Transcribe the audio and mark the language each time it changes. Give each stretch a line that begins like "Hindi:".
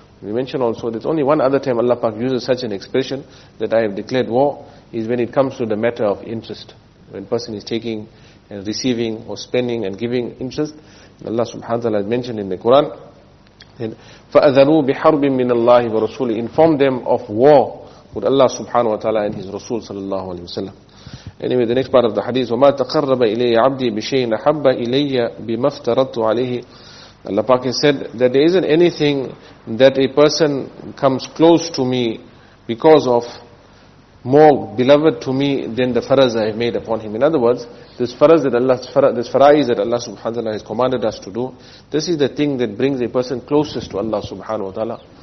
English: We mention also that only one other time Allah Pak uses such an expression that I have declared war is when it comes to the matter of interest. When person is taking and receiving or spending and giving interest, Allah subhanahu wa ta'ala has mentioned in the Quran,
Arabic: فَأَذَرُوا بِحَرْبٍ مِّنَ اللَّهِ وَرَسُولِهِ.
English: Inform them of war with Allah subhanahu wa ta'ala and his Rasul sallallahu alayhi wa sallam. Anyway, the next part of the hadith,
Arabic: وَمَا تَقَرَّبَ إِلَيَّ عَبْدِي بِشَيْءٍ أَحَبَّ إِلَيَّ بِمَا افْتَرَضْتُ عَلَيْهِ.
English: Allah Pak said that there isn't anything that a person comes close to me because of more beloved to me than the faraz I have made upon him. In other words, this faraiz that Allah subhanahu wa ta'ala has commanded us to do, this is the thing that brings a person closest to Allah subhanahu wa ta'ala.